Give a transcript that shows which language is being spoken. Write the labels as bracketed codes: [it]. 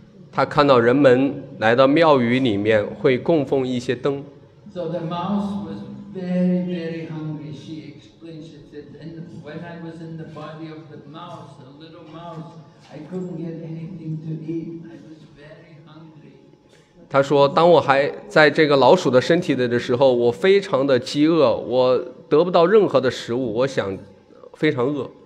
[zh] 他看到人们来到庙宇里面会供奉一些灯。 [en] So the mouse was very, very hungry. She explains it that when I was in the body of the mouse, a little mouse, I couldn't get anything to eat. I was very hungry. [zh] 他说，当我还在这个老鼠的身体里的时候，我非常的饥饿，我得不到任何的食物，我想非常饿。